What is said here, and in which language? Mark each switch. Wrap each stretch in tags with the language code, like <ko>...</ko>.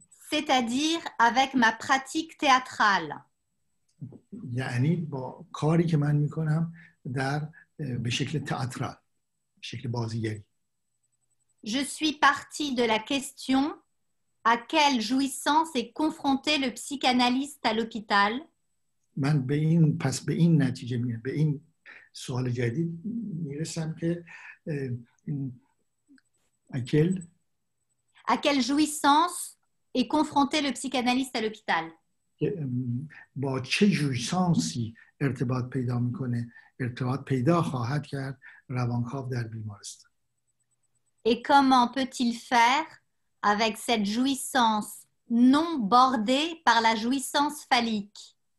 <fr>C'est-à-dire avec ma pratique théâtrale. Je suis partie de la question... À quelle jouissance est confronté le psychanalyste à l'hôpital?</fr> <fa>من به این پس به این نتیجه میرم به این سوال جدید میرسم که</fa> <fr>À quelle jouissance est confronté le psychanalyste à l'hôpital?</fr> <fa>با چه جویسانسی ارتباط پیدا میکنه ارتباط پیدا خواهد کرد روانکاو در بیمارستان؟</fa> <fr>Et comment peut-il faire? Avec cette jouissance non bordée par la jouissance phallique.</fr>